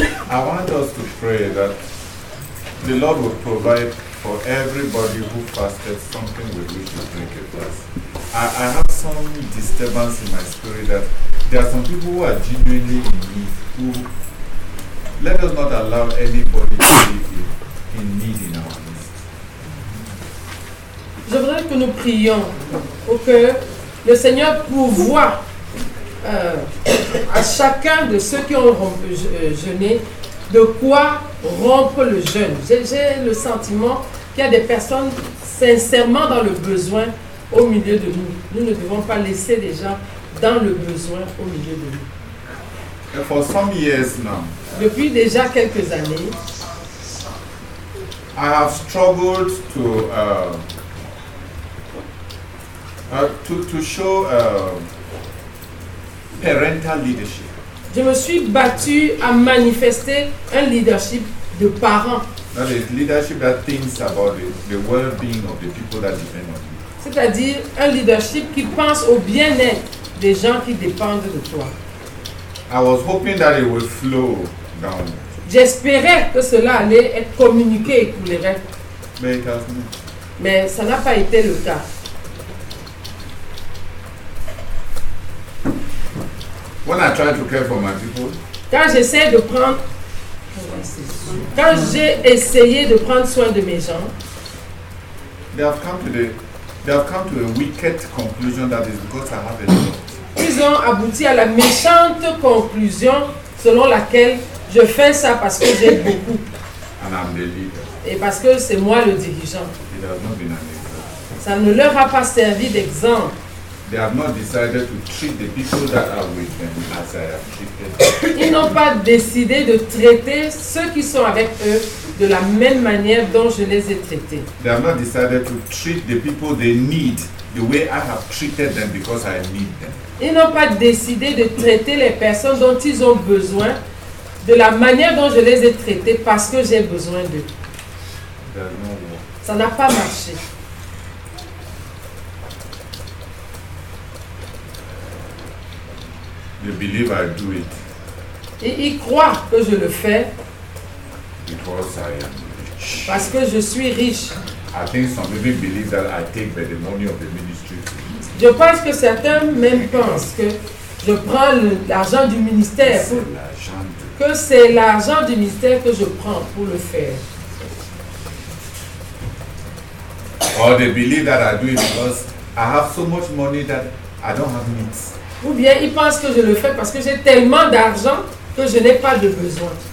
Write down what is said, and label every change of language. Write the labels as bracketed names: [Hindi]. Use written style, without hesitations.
[English] I want us to pray that the Lord will provide for everybody who fasted something with which to drink a glass. I have some disturbance in my spirit that there are some people who are genuinely in need. Who, let us not allow anybody to be in need in our midst. [French] Je voudrais que nous prions pour que le Seigneur pourvoie à chacun de ceux qui ont jeûné, de quoi rompre le jeûne. J'ai le sentiment qu'il y a des personnes sincèrement dans le besoin au milieu de nous. Nous ne devons pas laisser les gens dans le besoin au milieu de nous. [English] And for some years now, [French] depuis déjà quelques années, [English] I have struggled to show parental leadership. [French] Je me suis battu à manifester un leadership de parents. [English] That is leadership that thinks about the well-being of the people that depend on you. [French] C'est-à-dire un leadership qui pense au bien-être des gens qui dépendent de toi. [English] I was hoping that it would flow down. [French] J'espérais que cela allait être communiqué et coulerait. [English] But it hasn't. [French] Mais ça n'a pas été le cas. [English] When I try to care for my people, [French] quand j'ai essayé de prendre soin de mes gens, [English] they have come to a wicked conclusion that is because I have a lot. [French] Ils ont abouti à la méchante conclusion selon laquelle je fais ça parce que j'ai beaucoup. [English] And I'm the leader. [French] Et parce que c'est moi le dirigeant. [English] It has not been an example. [French] Ça ne leur a pas servi d'exemple. [English] They have not decided to treat the people that are with them as I have treated. [French] Ils n'ont pas décidé de traiter ceux qui sont avec eux de la même manière dont je les ai traités. [English] They have not decided to treat the people they need the way I have treated them because I need them. [French] Ils n'ont pas décidé de traiter les personnes dont ils ont besoin de la manière dont je les ai traités parce que j'ai besoin d'eux. Ça n'a pas marché. [English] They believe I do it. [French] Et ils croient que je le fais. [English] Because I am rich. [French] Parce que je suis riche. [English] I think some people believe that I take by the money of the ministry. [French] Je pense que certains même pensent que je prends l'argent du ministère. Que c'est l'argent du ministère que je prends pour le faire. [English] Or they believe that I do it because I have so much money that I don't have needs. [French] Ou bien ils pensent que je le fais parce que j'ai tellement d'argent que je n'ai pas de besoin.